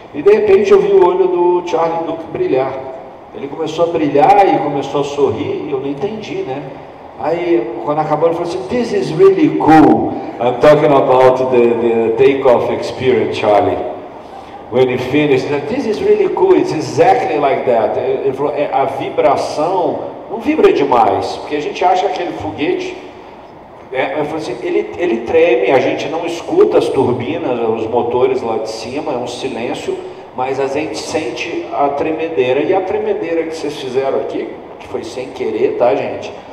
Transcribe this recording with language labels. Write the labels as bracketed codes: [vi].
[pt] E de repente eu vi o olho do Charlie Duke brilhar, ele começou a brilhar e começou a sorrir, e eu não entendi, né? Aí quando acabou ele falou assim, [en] this is really cool, I'm talking about the takeoff experience, Charlie. When he finished, he said, this is really cool, it's exactly like that. [pt] Ele falou, a vibração não vibra demais, porque a gente acha aquele foguete, ele falou assim, ele treme, a gente não escuta as turbinas, os motores lá de cima, é um silêncio, mas a gente sente a tremedeira. E a tremedeira que vocês fizeram aqui, que foi sem querer, tá gente?